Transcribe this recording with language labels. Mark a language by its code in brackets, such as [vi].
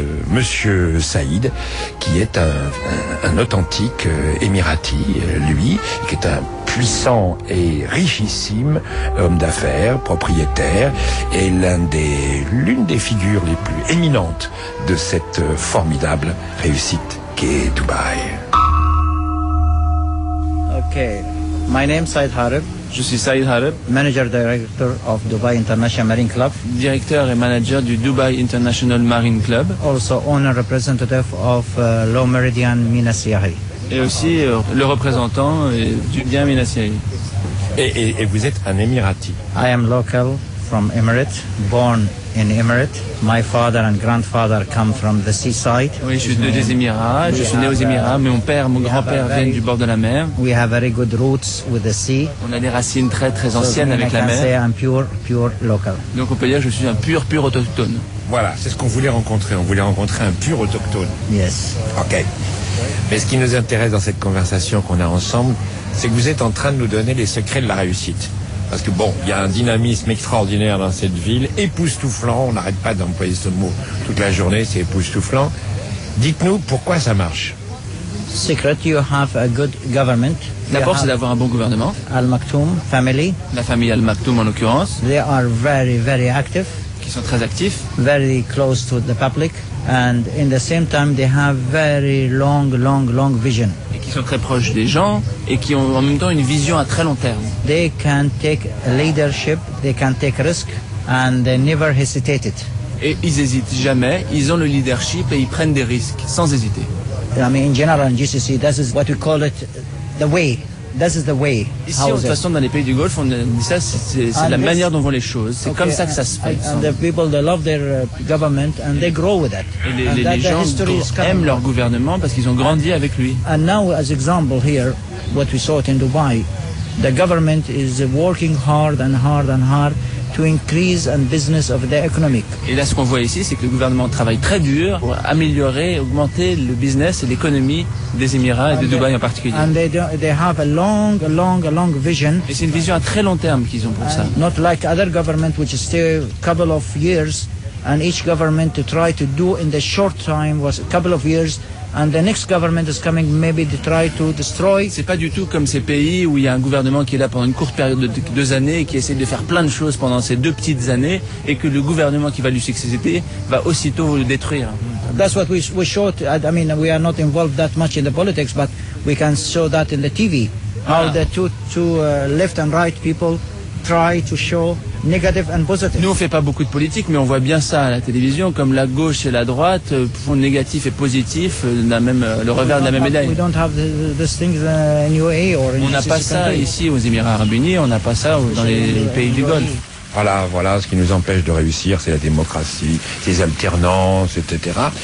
[fr] Monsieur Saïd, qui est un authentique Émirati, lui, qui est un puissant et richissime homme d'affaires, propriétaire, et l'une des figures les plus éminentes de cette formidable réussite. Qu'est Dubaï. [en] Okay. My name is Saïd Harib. [fr] Je suis Saïd Harib. [en] Manager Director of Dubai International Marine Club. [fr] Directeur et manager du Dubai International Marine Club. [en] Also owner representative of Low Meridian Mina Siahi. [fr] Et aussi le représentant du bien Mina Siahi. Et vous êtes un Émirati. [en] I am local from Emirates, born in Emirates. My father and grandfather come from the seaside. [fr] Oui, je suis né des Émirats. Je suis né aux Émirats, mais mon père, mon grand-père vient du bord de la mer. [en] We have very good roots with the sea. [fr] On a des racines très très anciennes [en] so [fr] avec la mer. [en] I can say I'm pure local. [fr] Donc on peut dire que je suis un pur autochtone. Voilà, c'est ce qu'on voulait rencontrer. On voulait rencontrer un pur autochtone. [en] Yes. OK. [fr] Mais ce qui nous intéresse dans cette conversation qu'on a ensemble, c'est que vous êtes en train de nous donner les secrets de la réussite. Parce que bon, il y a un dynamisme extraordinaire dans cette ville, époustouflant, on n'arrête pas d'employer ce mot toute la journée, c'est époustouflant. Dites-nous pourquoi ça marche. [en] Secret, you have a good government. [fr] D'abord, c'est d'avoir un bon gouvernement. [en] Al Maktoum family. [fr] La famille Al Maktoum en l'occurrence. [en] They are very, very active. [fr] Qui sont très actifs. [en] Very close to the public. And in the same time, they have very long vision. [fr] Et qui sont très proches des gens et qui ont en même temps une vision à très long terme. [en] They can take leadership, they can take risk, and they never hesitated. [fr] Et ils hésitent jamais. Ils ont le leadership et ils prennent des risques sans hésiter. [en] I mean, in general, in GCC, this is what we call it, the way. This is the way. [fr] Ici, de toute façon, dans les pays du Golfe, on dit ça, c'est la manière dont vont les choses. C'est comme ça que ça se fait. [en] And the people, they love their government and they grow with that. [fr] Les gens aiment leur gouvernement parce qu'ils ont grandi avec lui. [en] And now, as example here, what we saw it in Dubai, the government is working hard to increase and business of the economic. [fr] Et là, ce qu'on voit ici, c'est que le gouvernement travaille très dur pour améliorer, augmenter le business et l'économie des Émirats et de Dubaï en particulier. [en] And they have a long vision. [fr] Et c'est une vision à très long terme qu'ils ont pour ça. [en] Not like other government which stay a couple of years and each government to try to do in the short time was a couple of years. And the next government is coming maybe to try to destroy. [fr] C'est pas du tout comme ces pays où il y a un gouvernement qui est là pendant une courte période de deux années et qui essaie de faire plein de choses pendant ces deux petites années et que le gouvernement qui va lui succéder va aussitôt le détruire. [en] That's what we showed. I mean, we are not involved that much in the politics, but we can show that in the TV. How the two left and right people try to show negative and positive. [fr] Nous, on ne fait pas beaucoup de politique, mais on voit bien ça à la télévision, comme la gauche et la droite font négatif et positif, le revers de la même médaille. On n'a pas ça ici aux Émirats Arabes Unis, on n'a pas ça dans les pays du Golfe. Voilà, ce qui nous empêche de réussir, c'est la démocratie, les alternances, etc.